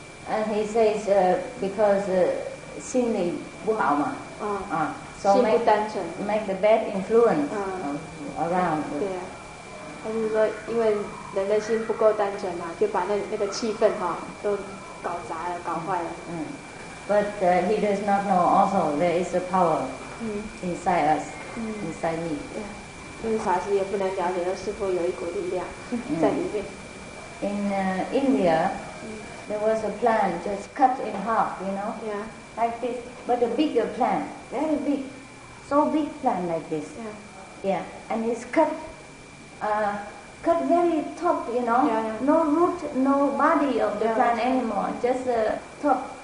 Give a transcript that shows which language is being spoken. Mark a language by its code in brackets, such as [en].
[en] And he says because 心里不好嘛。 [zh] So 心不单纯。 make [en] the bad influence around. [zh] 对啊，他就说因为人的心不够单纯嘛，就把那个气氛哈都搞砸了，搞坏了。 But [en] he does not know also there is a power inside us, inside me. [zh] 因为法师也不能了解，是否有一股力量在里面。 In [en] India, there was a plant just cut in half, you know, like this. But a bigger plant, very big, so big plant like this. Yeah. And it's cut very top, you know. No root, no body of the plant anymore, just the top.